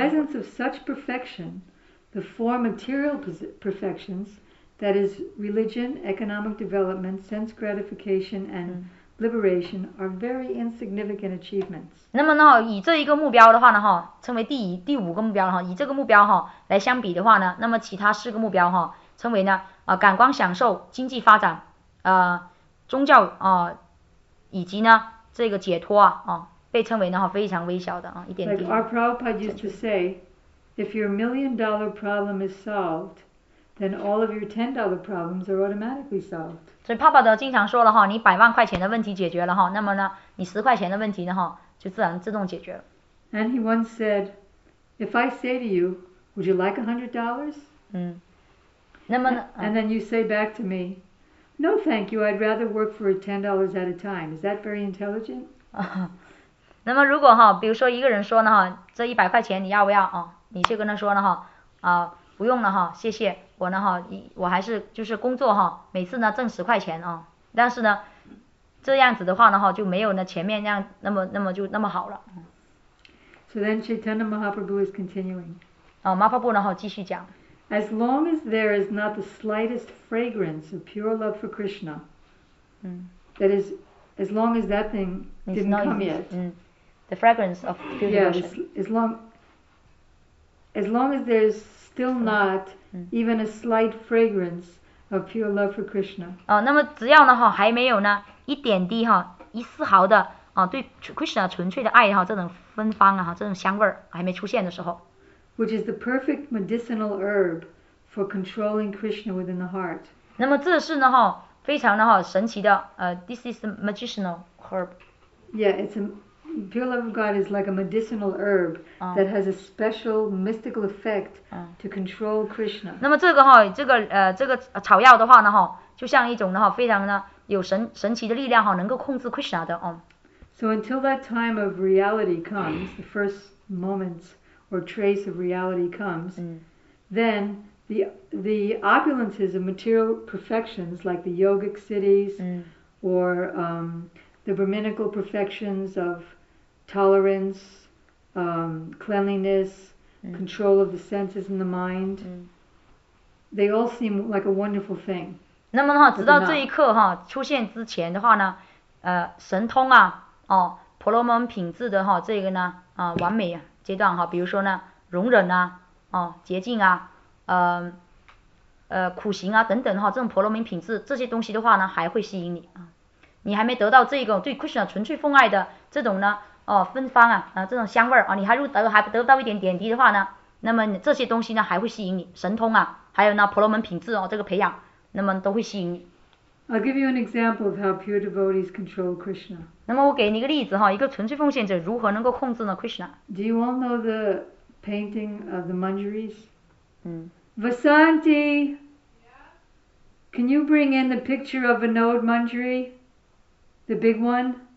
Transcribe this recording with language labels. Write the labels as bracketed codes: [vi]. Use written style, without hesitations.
[en] And the presence of such perfection. The four material perfections, that is religion, economic development, sense gratification, and liberation, are very insignificant achievements. [zh] 那么呢，以这一个目标的话呢，哈，称为第五个目标哈，以这个目标哈来相比的话呢，那么其他四个目标哈，称为呢，感官享受、经济发展、宗教以及呢这个解脱被称为呢非常微小的一点点。 [en] Like our Prabhupada used to say. If your $1 million problem is solved, then all of your $10 problems are automatically solved. [zh] 所以爸爸的经常说了哈，你百万块钱的问题解决了哈，那么呢，你十块钱的问题呢哈，就自然自动解决了。 [en] And he once said, if I say to you, would you like $100? [zh] 嗯，那么呢 [en] ？And then you say back to me, no, thank you. I'd rather work for $10 at a time. Is that very intelligent? [zh] 那么如果哈，比如说一个人说呢哈，这一百块钱你要不要啊？你却跟他说了哈，不用了哈，谢谢我呢哈，我还是就是工作哈，每次呢挣十块钱啊，但是呢，这样子的话呢哈，就没有呢前面那样那么就那么好了。 [en] So then Chaitanya Mahaprabhu is continuing. [zh] 啊，马婆婆呢哈继续讲。 [en] As long as there is not the slightest fragrance of pure love for Krishna, that is, as long as that thing didn't come yet. The fragrance of pure devotion. As long as there's still not even a slight fragrance of pure love for Krishna. [zh] 哦，那么只要呢哈，还没有呢一点滴哈，一丝毫的啊，对 Krishna 纯粹的爱哈，这种芬芳啊，这种香味儿还没出现的时候。 [en] Which is the perfect medicinal herb for controlling Krishna within the heart. [zh] 那么这是呢哈，非常的哈神奇的 [en] this is the medicinal herb. Yeah, it's a. Pure love of God is like a medicinal herb that has a special mystical effect to control Krishna. [zh] 那么这个哈，这个草药的话呢哈，就像一种呢哈，非常呢有神奇的力量哈，能够控制 Krishna 的哦。 [en] So until that time of reality comes, the first moments or trace of reality comes, then The opulences of material perfections, like the yogic cities, or the brahminical perfections of tolerance, cleanliness, control of the senses and the mind, they all seem like a wonderful thing. [zh] 那么的话，直到这一刻哈出现之前的话呢，神通啊，哦，婆罗门品质的哈这个呢，完美阶段哈，比如说呢，容忍啊，哦，洁净啊，苦行啊等等哈，这种婆罗门品质这些东西的话呢，还会吸引你啊。你还没得到这个对 Krishna 纯粹奉爱的这种呢，哦，芬芳啊，这种香味啊，你还入得还得到一点点滴的话呢，那么这些东西呢还会吸引你，神通啊，还有呢婆罗门品质哦，这个培养。那么都会吸引你。 [en] I'll give you an example of how pure devotees control Krishna. [zh] 那么我给你一个例子哈，一个纯粹奉献者如何能够控制呢 Krishna? [en] Do you all know the painting of the Manjaris? 嗯。 Vasanti, can you bring in the picture of Vinod Manjari, the big one?